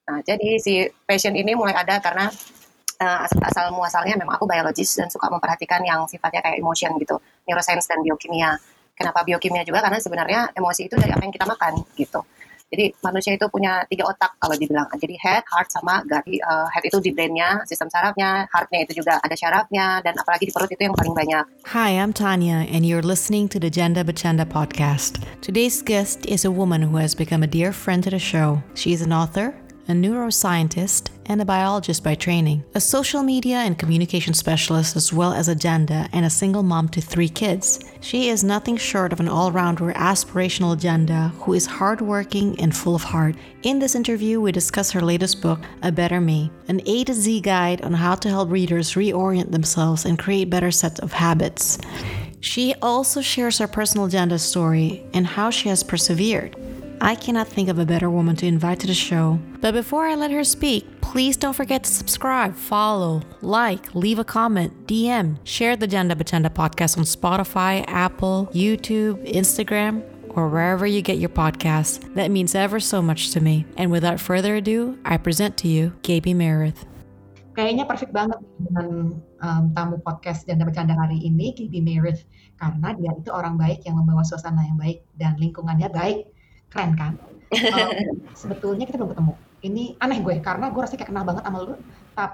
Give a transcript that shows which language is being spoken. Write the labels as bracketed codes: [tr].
[id] Nah, jadi si passion ini mulai ada karena asal muasalnya memang aku biologis dan suka memperhatikan yang sifatnya kayak emotion gitu, neuroscience dan biokimia. Kenapa biokimia juga? Karena sebenarnya emosi itu dari apa yang kita makan gitu. Jadi manusia itu punya tiga otak kalau dibilang. Jadi head, heart, sama gut. Head itu di brainnya, sistem sarafnya, heartnya itu juga ada sarafnya, dan apalagi di perut itu yang paling banyak. [en] Hi, I'm Tanya, and you're listening to the Janda Bercanda podcast. Today's guest is a woman who has become a dear friend to the show. She is an author, a neuroscientist, and a biologist by training, a social media and communication specialist, as well as a Janda and a single mom to three kids. She is nothing short of an all-rounder aspirational Janda who is hardworking and full of heart. In this interview, we discuss her latest book, A Better Me, an A to Z guide on how to help readers reorient themselves and create better sets of habits. She also shares her personal Janda story and how she has persevered. I cannot think of a better woman to invite to the show. But before I let her speak, please don't forget to subscribe, follow, like, leave a comment, DM, share the Janda Bercanda podcast on Spotify, Apple, YouTube, Instagram, or wherever you get your podcasts. That means ever so much to me. And without further ado, I present to you Gaby Meredith. [id] Kayaknya perfect banget dengan tamu podcast Janda Bercanda hari ini, Gaby Meredith, karena dia itu orang baik yang membawa suasana yang baik dan lingkungannya baik. Keren kan? Sebetulnya kita belum ketemu. Ini aneh gue, karena gue rasanya kayak kenal banget sama lu. Tapi